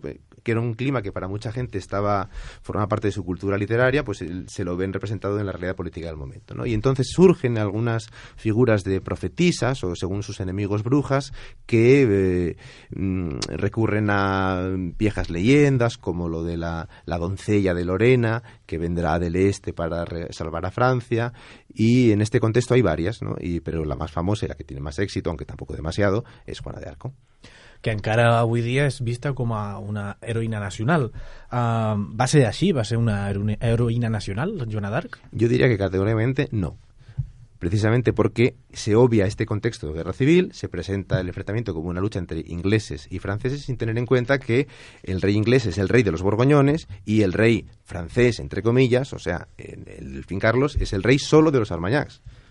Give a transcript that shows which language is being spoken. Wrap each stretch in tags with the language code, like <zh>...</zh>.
<es>Que era un clima que para mucha gente estaba formaba parte de su cultura literaria, pues se lo ven representado en la realidad política del momento, ¿no? Y entonces surgen algunas figuras de profetisas o, según sus enemigos, brujas, que recurren a viejas leyendas como lo de la doncella de Lorena, que vendrá del este para salvar a Francia. Y en este contexto hay varias, ¿no? Pero la más famosa y la que tiene más éxito, aunque tampoco demasiado, es Juana de Arco.</es> <ca>Que encara avui dia és vista com a una heroïna nacional. Va ser així? Va ser una heroïna nacional, Joana d'Arc? Jo diria que categòricament no.</ca> <es>Precisamente porque se obvia este contexto de guerra civil, se presenta el enfrentamiento como una lucha entre ingleses y franceses sin tener en cuenta que el rey inglés es el rey de los borgoñones y el rey francés, entre comillas, o sea, el delfín Carlos, es el rey solo de los armagnacs.</es>